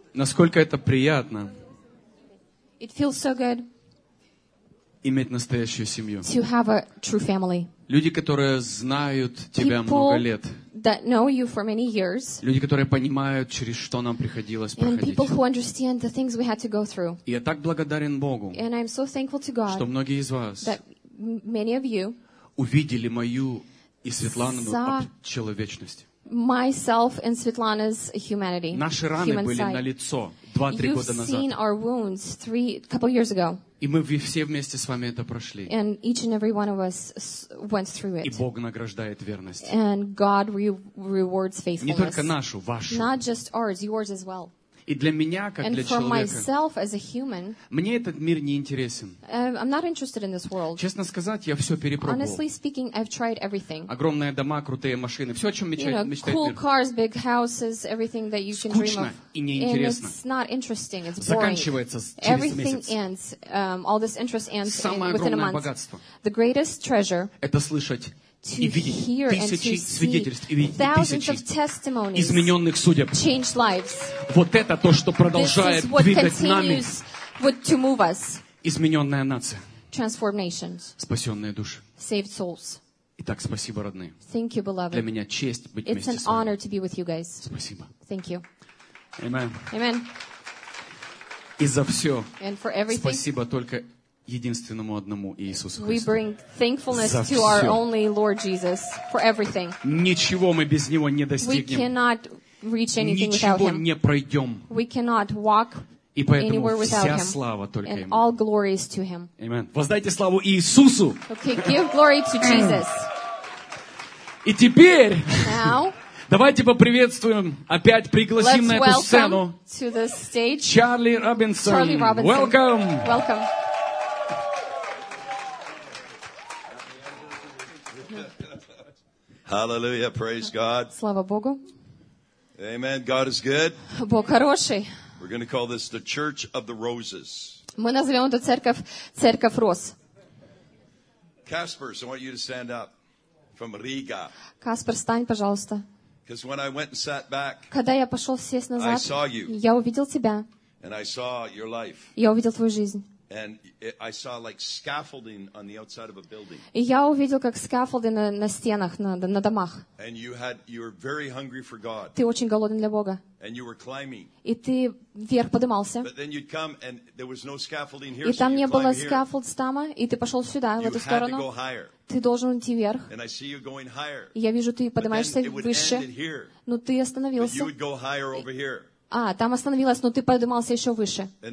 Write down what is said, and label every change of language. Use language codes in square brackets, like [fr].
[ru] Насколько это приятно. [en] It feels so good. [ru] Иметь настоящую семью. [en] To have a true family. [ru] Люди, которые знают тебя много лет. [en] That know you for many years. [ru] Люди, которые понимают, через что нам приходилось проходить. [en] And people who understand the things we had to go through. [ru] И я так благодарен Богу. [en] And I'm so thankful to God. [ru] Что многие из вас. [en] That many of you. [ru] Увидели мою и Светланину человечность. [en] Myself and Svetlana's humanity. [ru] Наши раны были на лицо 2-3 года назад. [en] You've seen our wounds three couple years ago. [ru] И мы все вместе с вами это прошли. [en] And each and every one of us went through it. [ru] И Бог награждает верность. [en] And God rewards faithfulness. [ru] Не только нашу, вашу. [en] Not just ours, yours as well. [ru] И для меня, как [en] and [ru] для человека, [en] myself, as a human, [ru] мне этот мир не интересен. [en] I'm not interested in this world. [ru] Честно сказать, я все перепробовал. [en] Honestly speaking, I've tried everything. [ru] Огромные дома, крутые машины, все, о чем мечтает мир. [en] You know, cool cars, big houses, everything that you [ru] скучно Скучно и неинтересно. [en] And it's not interesting, it's boring. [ru] Заканчивается через месяц. [en] Everything ends, all this interest ends within a month. [ru] Самое огромное богатство. [en] The greatest treasure. [ru] Это слышать. [en] To hear and to see thousands of testimonies, [ru] измененных судеб. [en] Changed lives. [ru] Вот это то, что продолжает двигать нами. [en] To move us. [ru] Измененная нация. [en] Transformed nations. [ru] Спасенные души. [en] Saved souls. [ru] Итак, спасибо, родные. [en] Thank you, beloved. [ru] Для меня честь быть [en] It's [ru] вместе [en] an honor to be with you guys. [ru] Спасибо. [en] Thank you. Amen. Amen. [ru] И за все. [en] And for everything. [ru] Спасибо только единственному одному Иисусу Христу. [en] We bring thankfulness to our only Lord Jesus for everything. [ru] Ничего мы без него не достигнем. [en] We cannot reach anything [ru] ничего [en] without him. [ru] Не пройдем. [en] We cannot walk [ru] и поэтому [en] anywhere without [ru] вся [en] him. [ru] Слава только [en] and [ru] ему. [en] All glory is to him. [ru] Amen. Воздайте славу Иисусу. [en] Okay, give glory to Jesus. [ru] И теперь [en] now, [ru] давайте поприветствуем, опять пригласим на эту сцену [en] to the stage, [ru] Чарли Робинсон. [en] Charlie Robinson. Welcome. Welcome. Yeah. Hallelujah, praise God. [ru] Слава Богу. [en] Amen. God is good. [ru] Бог хороший. [en] We're going to call this the Church of the Roses. [ru] Мы назовем эту церковь роз. [en] Каспер, I want you to stand up from Riga. [ru] Каспер, встань, пожалуйста. [en] Because when I went and sat back, [ru] когда я пошел сесть назад, [en] I saw you. [ru] Я увидел тебя. [en] And I saw your life. [ru] Я увидел твою жизнь. [en] And I saw like scaffolding on the outside of a building. [ru] И я увидел, как скаффолды на стенах, на домах. [en] And you were very hungry for God. [ru] Ты очень голоден для Бога. [en] And you were climbing. [ru] И ты вверх поднимался. [en] But then you'd come and there was no scaffolding here. [ru] И там [en] so [ru] не было скаффолд стама, и ты пошел сюда, [en] you [ru] в эту сторону. [en] Had to go higher. [ru] Ты должен идти вверх. [en] And I see you going higher. [ru] И я вижу, ты поднимаешься [en] but then [ru] выше. [en] It would end it here. [ru] Но ты остановился. [en] But you would go higher over here. [ru] А, там остановилась, но ты поднимался еще выше.